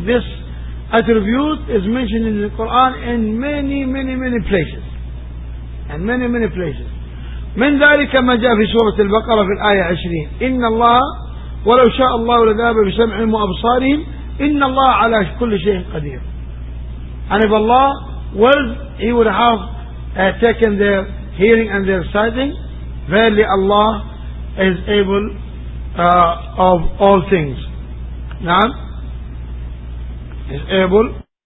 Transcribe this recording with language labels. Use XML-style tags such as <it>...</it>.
<en>This attribute is mentioned in the Quran in many places, and many places.</en> <ar>من ذلك ما جاء في سورة البقرة في الآية 20, إن الله ولو شاء الله لذهب بسمعهم وأبصارهم, إن الله على كل شيء قدير.</ar> <en>And if Allah was, He would have taken their hearing and their sighting. Verily Allah is able of all things. نعم, is able.</en>